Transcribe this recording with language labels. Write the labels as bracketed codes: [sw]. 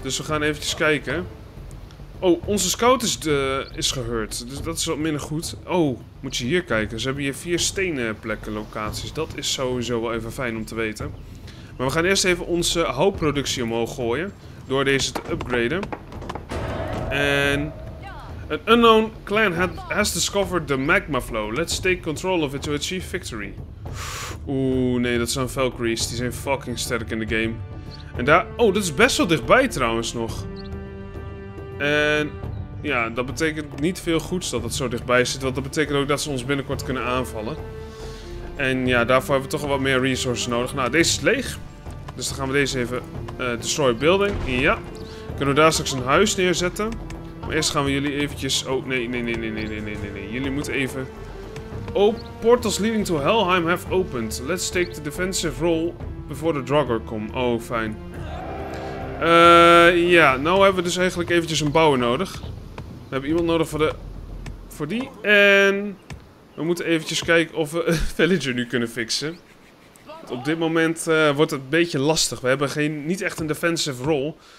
[nl] Dus we gaan eventjes kijken. Oh, onze scout is gehurt. Dus dat is wat minder goed. Oh, moet je hier kijken. Ze hebben hier 4 stenenplekken locaties. Dat is sowieso wel even fijn om te weten. Maar we gaan eerst even onze houtproductie omhoog gooien. Door deze te upgraden. En... [en] an unknown clan has discovered the magma flow. Let's take control of it to achieve victory. [nl] Oeh, nee, dat zijn Valkyries. Die zijn fucking sterk in de game. En daar... Oh, dat is best wel dichtbij trouwens nog. En ja, dat betekent niet veel goeds dat het zo dichtbij zit. Want dat betekent ook dat ze ons binnenkort kunnen aanvallen. En ja, daarvoor hebben we toch wat meer resources nodig. Nou, deze is leeg. Dus dan gaan we deze even destroy building. Ja. Kunnen we daar straks een huis neerzetten. Maar eerst gaan we jullie eventjes... Oh, nee. Jullie moeten even... [en] Oh, portals leading to Helheim have opened. Let's take the defensive role before the Draugr come. [nl] Oh, fijn. Ja, nou hebben we dus eigenlijk eventjes een bouwer nodig. We hebben iemand nodig voor die. En we moeten eventjes kijken of we een villager nu kunnen fixen. Want op dit moment wordt het een beetje lastig. We hebben niet echt een defensive role.